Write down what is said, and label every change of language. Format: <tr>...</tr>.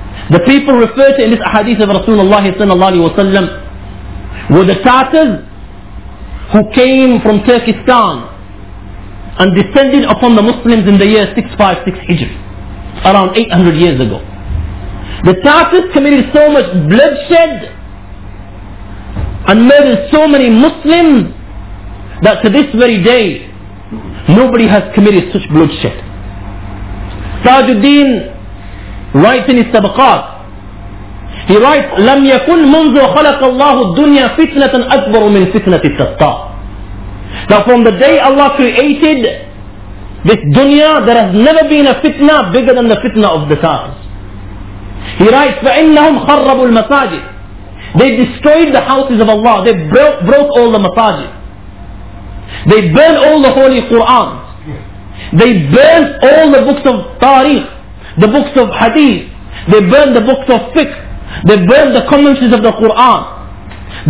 <en>The people referred to in this hadith of Rasulullah sallallahu alaihi wasallam were the Tartars who came from Turkestan and descended upon the Muslims in the year 656 Hijri, around 800 years ago. The Tartars committed so much bloodshed and murdered so many Muslims that to this very day nobody has committed such bloodshed. Tajuddin writes in his Tabaqat, he writes,</en> <ar>لَمْ يَكُنْ مُنْزُ خَلَقَ اللَّهُ الدُّنْيَا فِتْنَةً أَكْبَرُ مِنْ فِتْنَةِ التَّطَّارِ.</ar> <en>Now from the day Allah created this dunya, there has never been a fitna bigger than the fitna of the Tartars. He writes,</en> <ar>فَإِنَّهُمْ خَرَّبُوا الْمَسَاجِدِ.</ar> <en>They destroyed the houses of Allah. They broke all the masajid. They burned all the holy Qur'ans. They burned all the books of tariq, the books of hadith. They burned the books of fiqh. They burned the commentaries of the Qur'an.</en>